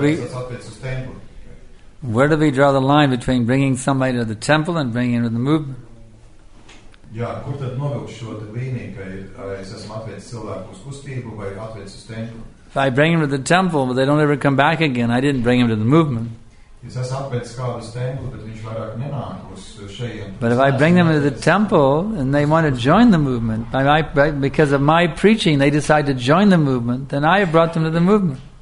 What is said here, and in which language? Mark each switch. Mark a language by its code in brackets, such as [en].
[en] Where do we draw the line between bringing somebody to the temple and bringing him to the movement? [lv] Jā, kur tad novilkt šo līniju, ka es esmu atvedis cilvēku uz kustību vai atvedis uz templu? [en] If I bring him to the temple, but they don't ever come back again, I didn't bring him to the movement. But if I bring them to the temple and they want to join the movement, because of my preaching, they decide to join the movement, then I have brought them to the movement.